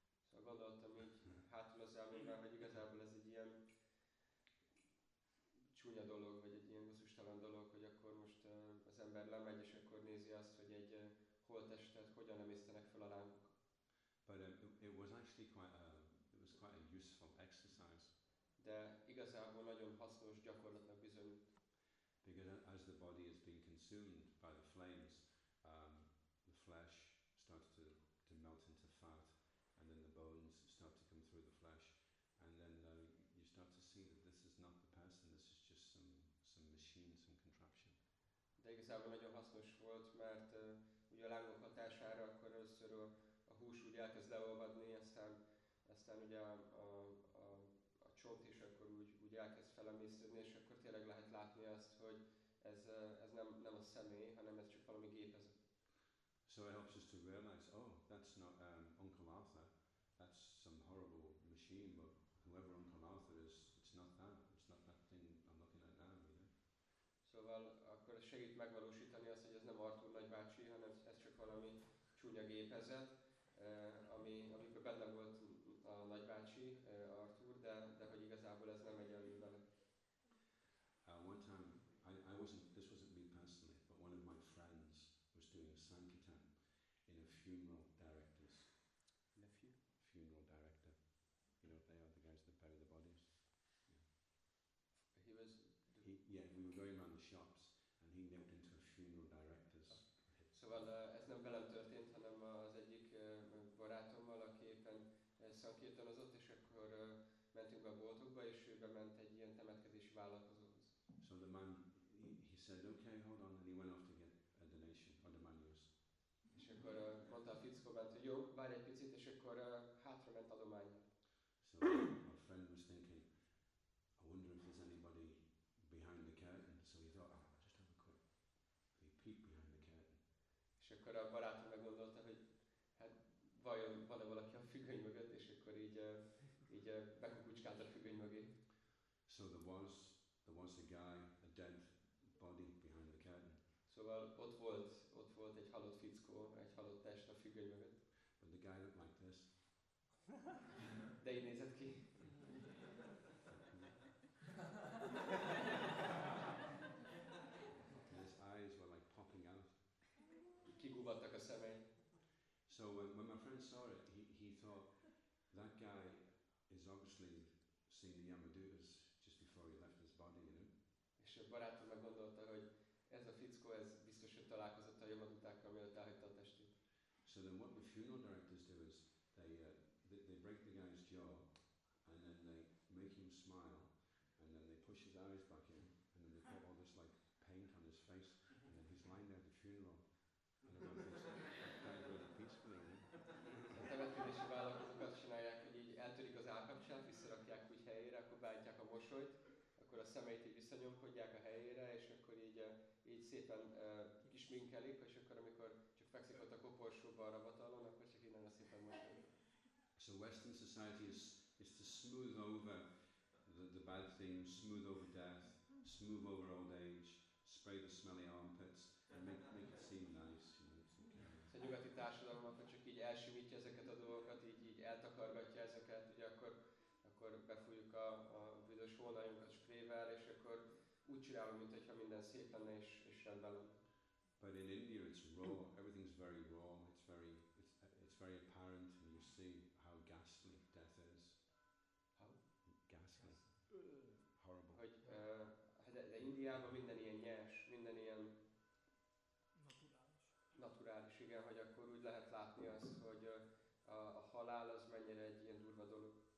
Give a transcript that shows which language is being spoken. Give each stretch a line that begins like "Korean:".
Hungarian: Szóval gondoltam így hátul az elmémben, hogy igazából ez egy ilyen csúnya dolog, vagy egy ilyen gusztustalan dolog, hogy akkor most az ember lemegy, és akkor nézi azt, hogy egy holttestet hogyan emésztenek fel a lángok.
English: But it was actually quite a useful exercise.
Hungarian: De igazából nagyon hasznos gyakorlatnak bizonyult.
English: Because as the body is being consumed by the flames, the flesh starts to melt into fat. And then the bones start to come through the flesh, and then you start to see that this is not the person, this is just some machine, some contraption.
Hungarian: De igazából nagyon hasznos volt, mert ugye a lángok hatására akkor először a hús úgy elkezd leolvadni, aztán ugye a csont is akkor úgy elkezd felemésződni, és akkor tényleg lehet látni azt, hogy ez nem a személy, hanem ez csak valami gépezet.
English: So it helps us to realize, oh, that's not Uncle Arthur, that's some horrible machine, but whoever Uncle Arthur is, it's not that thing I'm looking at now, you know.
Hungarian: Szóval akkor segít megvalósítani azt, hogy ez nem Arthur nagybácsi, hanem ez csak valami csúnya gépezet, amikor benne volt a nagybácsi, Arthur, de hogy igazából ez nem egy olyan vele.
English: One time, this wasn't me personally, but one of my friends was doing Sankirtan in a funeral director's. Nephew? Funeral director. You know what they are, the guys that bury the bodies? Yeah. We were going around the shops and he nailed into a funeral director's. Okay.
Hungarian: Szóval ez nem velem történt, hanem az egyik barátommal, aki éppen szankirtanozott, és akkor mentünk be a boltokba, és ő bement egy ilyen temetkezési vállalkozóhoz.
English: So the man, he said, okay, hold on, and he went off to get a donation, or the manuals.
Hungarian: És akkor mondta a fickó bent, hogy jó, várj egy picit, és akkor hátra ment adományra.
English: So my friend was thinking, I wonder if there's anybody behind the curtain. So he thought, I'll just have a quick peek behind the curtain.
Hungarian: És akkor a barátom meggondolta, hogy hát vajon van-e valaki a függöny mögött, és akkor így bekukucskált a függöny mögé.
English: So there was a guy, a dead body behind the curtain.
Hungarian: Szóval ott volt egy halott fickó, egy halott test a függöny mögött.
English: But the guy looked like this.
Hungarian: De így nézett ki.
English: And his eyes were like popping out.
Hungarian: Kigúvattak a szemei.
English: So when my friend saw it, he thought, that guy is obviously seen the Yamadutas just before he left his body, you know?
Hungarian: És a barátom meg gondolta, hogy ez a fickó, ez biztos, hogy találkozott a Yamadutákkal, mielőtt elhagyta a testét.
English: So then what the funeral directors do is they break the guy's jaw and then they make him smile and then they push his eyes back in and then they put all this like paint on his face and then he's lying there at the funeral and everyone thinks that guy really peacefully.
Hungarian: A temetkedési vállalkozókat csinálják, hogy így eltörik az állkapcsát, visszarakják úgy helyére, akkor beállítják a mosolyt, akkor a szemeit így visszanyomkodják a helyére, és akkor így szépen kisminkelik, és akkor amikor csak fekszik ott a koporsóban a ravatalon, akkor csak így nagyon szépen mosolyog.
English: So Western society is to smooth over the bad things, smooth over death, smooth over old age, spray the smelly armpits, and make it seem nice, you know, it's okay.
Hungarian: A nyugati társadalom akkor csak így elsimítja ezeket a dolgokat, így eltakargatja ezeket, ugye akkor befújjuk a vidős vonaljunkat sprayvel, és akkor úgy csinálom, mintha minden szép lenne és rendben.
English: But in India it's raw, everything's very raw, it's very apparent, and you see how ghastly death is. How? Ghastly. Yes. Horrible.
Hungarian: Hogy de Indiában minden ilyen nyers, minden ilyen naturális, igen, hogy akkor úgy lehet látni azt, hogy a halál az mennyire egy ilyen durva dolog.